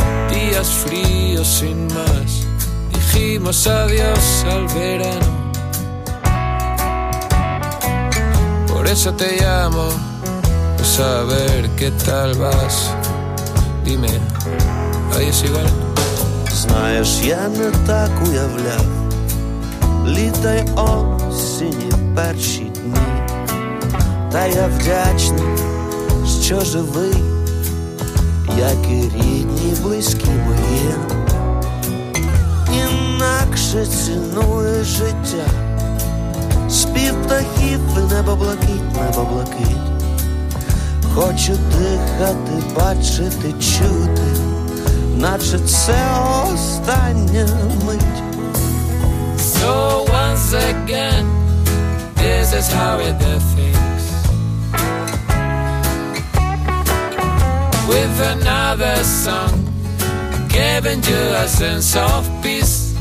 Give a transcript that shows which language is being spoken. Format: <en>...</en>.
<es>Días fríos sin más, dijimos adiós al verano, por eso te llamo, pues a ver qué tal vas. Dime, ahí es igual.</es> <uk>Знаешь, я не так уявляв літо й осінь перші дні. Та я вдячний, що живий, як і рідні близькі мої. Інакше цінує життя спів птахів і небоблакит, небоблакит. Хочу дихати, бачити, чути, наче це остання мить.</uk> <en>So once again, this is how you do things. With another song, giving you a sense of peace.</en>